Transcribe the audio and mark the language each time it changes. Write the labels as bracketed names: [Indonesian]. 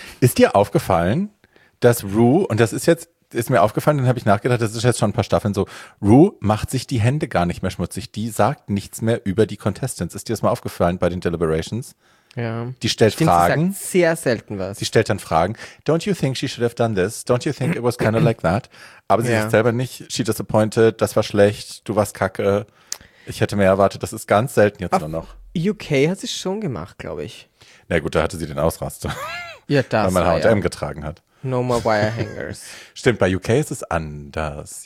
[German] Ist dir aufgefallen, dass Rue, und das ist jetzt, ist mir aufgefallen, dann habe ich nachgedacht, das ist jetzt schon ein paar Staffeln so, Rue macht sich die Hände gar nicht mehr schmutzig. Die sagt nichts mehr über die Contestants. Ist dir das mal aufgefallen bei den Deliberations? Ja. Die stellt Fragen. Sie sagt sehr selten was. Sie stellt dann Fragen. [English] Don't you think she should have done this? Don't you think it was kind of like that? [German] Aber sie sagt selber nicht, [English] she disappointed, [German] das war schlecht, du warst kacke. Ich hätte mehr erwartet. Das ist ganz selten jetzt nur noch. UK hat sie schon gemacht, glaube ich. Na gut, da hatte sie den Ausraster. Ja, das weil man H&M getragen hat. [English] No more wire hangers. [German] Stimmt, bei UK ist es anders.